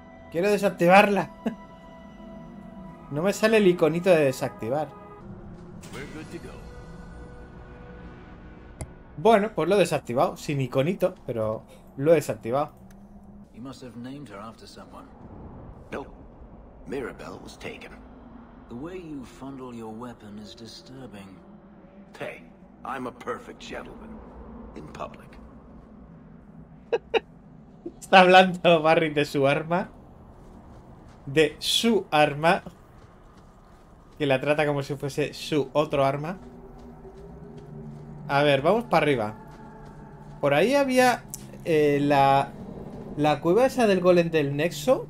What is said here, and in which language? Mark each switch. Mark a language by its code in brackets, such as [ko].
[es] Quiero desactivarla. No me sale el iconito de desactivar. Bueno, pues lo he desactivado. Sin iconito, pero lo he desactivado. [en] You must have named her after someone. No. Mirabel was taken. The way you fondle your weapon is disturbing. Hey, I'm a perfect gentleman in public. [es] Está hablando Barry de su arma. De su arma. Que la trata como si fuese su otro arma. A ver, vamos para arriba. Por ahí había la cueva esa del golem del nexo.